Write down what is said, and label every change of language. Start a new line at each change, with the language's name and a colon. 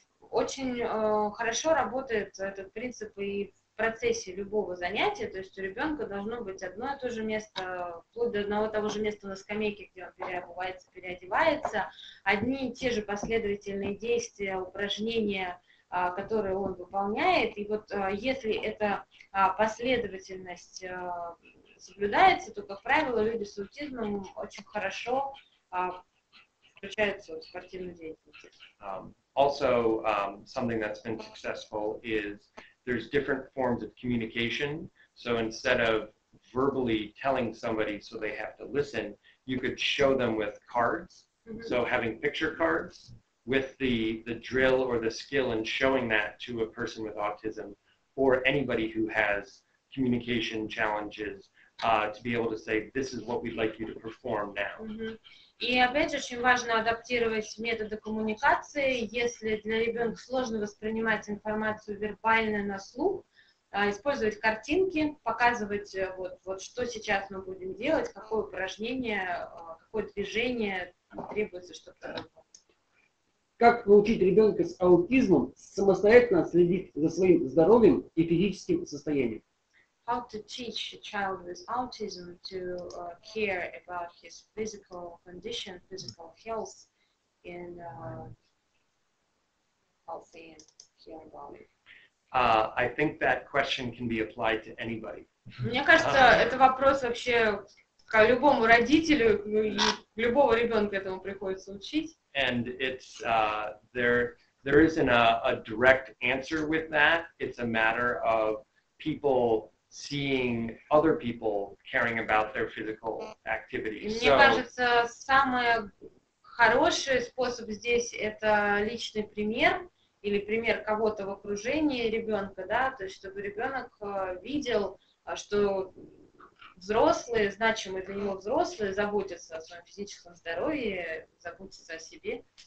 Russian: Очень хорошо работает этот принцип и в процессе любого занятия, то есть у ребенка должно быть одно и то же место, вплоть до одного и того же места на скамейке, где он переобувается, переодевается, одни и те же последовательные действия, упражнения, которые он выполняет, и вот если эта последовательность соблюдается, то, как правило, люди с аутизмом очень хорошо включаются в спортивную деятельность.
English: Something that's been successful is there's different forms of communication, so instead of verbally telling somebody so they have to listen, you could show them with cards, so having picture cards, with the drill or the skill and showing that to a person with autism or anybody who has communication challenges to be able to say, this is what we'd like you to perform now.
Russian: И опять же, очень важно адаптировать методы коммуникации. Если для ребенка сложно воспринимать информацию вербально на слух, использовать картинки, показывать вот что сейчас мы будем делать, какое упражнение, какое движение требуется, чтобы... Как научить ребенка с аутизмом самостоятельно следить за своим здоровьем и физическим состоянием?
English: How to teach a child with autism to care about his physical condition, physical health, and healthy and care about it? I think that question can be applied to anybody.
Russian: Мне кажется, это вопрос вообще к любому родителю, любого ребенка этому приходится учить.
English: And it's there isn't a direct answer with that. It's a matter of people seeing other people caring about their physical activity.
Russian: Мне кажется, самый хороший способ здесь это личный пример. Или пример кого-то в окружении ребенка, да, то есть чтобы ребенок видел, что взрослые, значимые для него взрослые, заботятся о своем физическом здоровье, заботятся о себе.